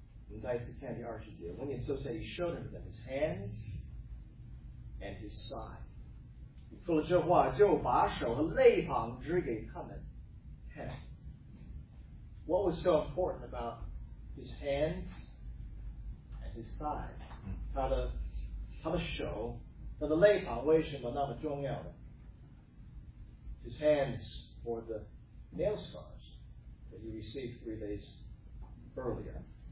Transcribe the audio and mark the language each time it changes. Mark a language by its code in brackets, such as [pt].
[en] In Isaiah 10, the [zh] 二十节, [en] when he had so said, he showed unto them his hands and his side. [zh] 说了这话，就把手和肋旁指给他们看。 [en] What was so important about his hands and his side? [zh] 他的手，他的肋旁为什么那么重要呢？ [en] His hands were the nail scars that he received 3 days earlier.